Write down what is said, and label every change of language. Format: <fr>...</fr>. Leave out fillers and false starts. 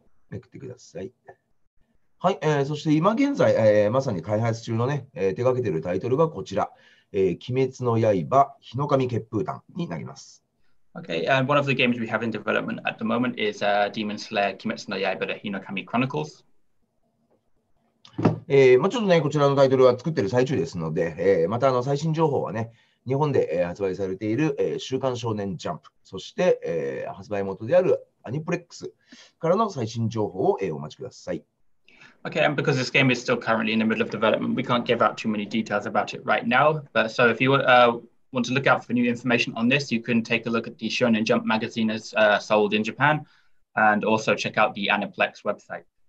<ja>めくってください。はい、そして今現在、まさに開発中のね、手掛けているタイトルがこちら、鬼滅の刃、日の神血風譚になります。</ja> <en>Okay, and one of the games we have in development at the moment is Demon Slayer: Kimetsu no Yaiba, the Hinokami Chronicles.</en> <ja>まあ、ちょっとね、こちらのタイトルは作ってる最中ですので、また最新情報はね、日本で、発売されている、週刊少年ジャンプ、そして、発売元であるアニプレックスからの最新情報を、お待ちください。</ja> <en>Okay, and because this game is still currently in the middle of development, we can't give out too many details about it right now. But so if you want to look out for new information on this, you can take a look at the Shonen Jump magazine as sold in Japan and also check out the Aniplex website.</en>